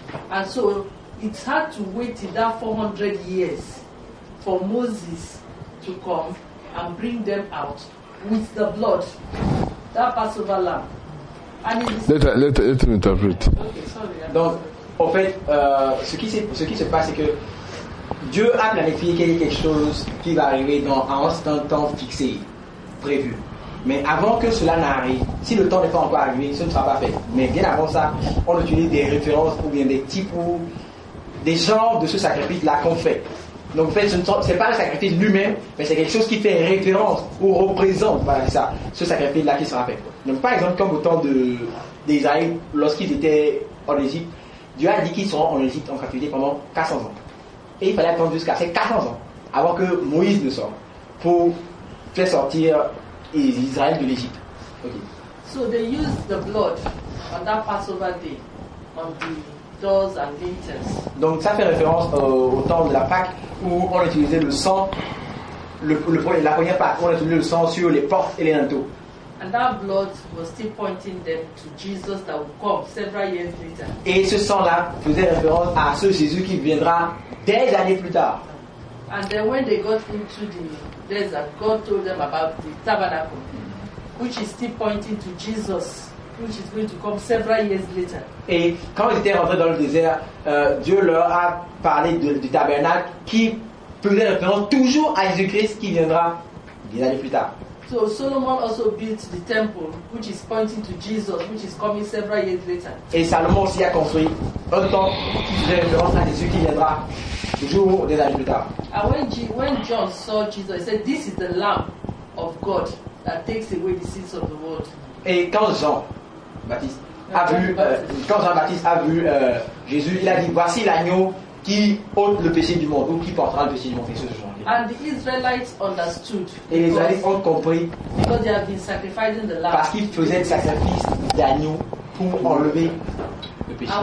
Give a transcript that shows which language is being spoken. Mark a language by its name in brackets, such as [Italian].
[English] And so it had to wait in that 400 years for Moses to come and bring them out with the blood, that Passover lamb. And let me interpret. Okay, sorry. [French] Donc, en fait, ce qui se passe, c'est que Dieu a planifié quelque chose qui va arriver dans un certain temps fixé, prévu. Mais avant que cela n'arrive, si le temps n'est pas encore arrivé, ce ne sera pas fait. Mais bien avant ça, on utilise des références ou bien des types ou des genres de ce sacrifice-là qu'on fait. Donc en fait, ce n'est pas le sacrifice lui-même, mais c'est quelque chose qui fait référence ou représente, voilà, ça, ce sacrifice-là qui sera fait. Donc par exemple, comme au temps d'Israël, lorsqu'ils étaient en Égypte, Dieu a dit qu'ils seront en Égypte en captivité pendant 400 ans. Et il fallait attendre jusqu'à ces 400 ans avant que Moïse ne sorte pour faire sortir Israël de l'Égypte. [English] Okay. So they used the blood on that Passover day on the doors and lintels. [French] Donc ça fait référence au temps de la Pâque où on utilisait le sang, la première Pâque, où on utilisait le sang sur les portes et les lintels. [English] And that blood was still pointing them to Jesus that would come several years later. [French] Et ce sang-là faisait référence à ce Jésus qui viendra des années plus tard. [English] And then when they got into the desert, God told them about the tabernacle, which is still pointing to Jesus, which is going to come several years later. [French] Et quand ils étaient rentrés dans le désert, Dieu leur a parlé du tabernacle qui faisait référence toujours à Jésus-Christ qui viendra des années plus tard. [English] So Solomon also built the temple, which is pointing to Jesus, which is coming several years later. [French] Et Salomon aussi a construit un temple qui faisait référence à Jésus qui viendra toujours des années plus tard. [English] And when John saw Jesus, he said, "This is the Lamb of God that takes away the sins of the world." [French] Et quand Jean Baptiste a vu Jésus, il a dit, "Voici l'agneau qui ôte le péché du monde, ou qui portera le péché du monde." [English] And the Israelites understood. [French] Et les Israélites ont compris. [English] Because they have been sacrificing the lamb. [French] Parce qu'ils faisaient le sacrifice d'agneau pour enlever le péché.